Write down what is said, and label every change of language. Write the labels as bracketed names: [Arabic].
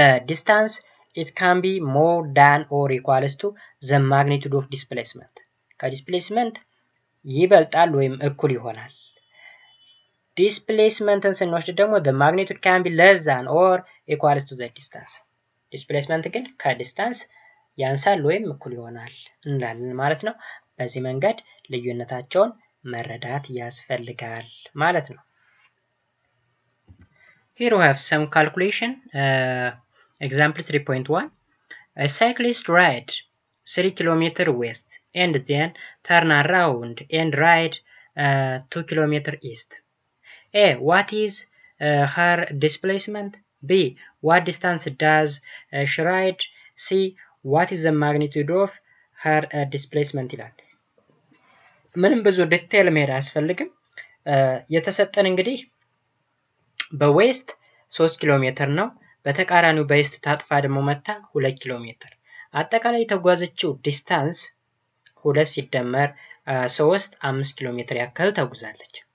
[English] distance it can be more than or equals to the magnitude of displacement displacement [Amharic] ይበልጣል ወይም እኩል ይሆናል [English] displacement [Amharic] እንሰነውሽ ደግሞ [English] the magnitude can be less than or equals to the distance displacement ግን ከdistance [Amharic] ያንሳል ወይም እኩል ይሆናል እንላለን ማለት ነው። በዚህ መንገድ ልዩነታቸውን መረዳት ያስፈልጋል ማለት ነው። [English] Here we have some calculation. Example 3.1. A cyclist ride 3 km west and then turn around and ride 2 km east. A. What is her displacement? B. What distance does she ride? C. What is the magnitude of her displacement? [Amharic] ምንም ብዙ ዲቴል መሄድ አያስፈልግም። የተሰጠን እንግዲህ በዌስት 3 ኪሎ ሜትር ነው። በተቃራኒው በዌስት ታጥፋ ደግሞ መጣ 2 ኪሎ ሜትር። አጠቃላይ ተጓዘችው ዲስታንስ 2 ሲደመር 3 5 ኪሎ ሜትር ያክል ተጓዛለች።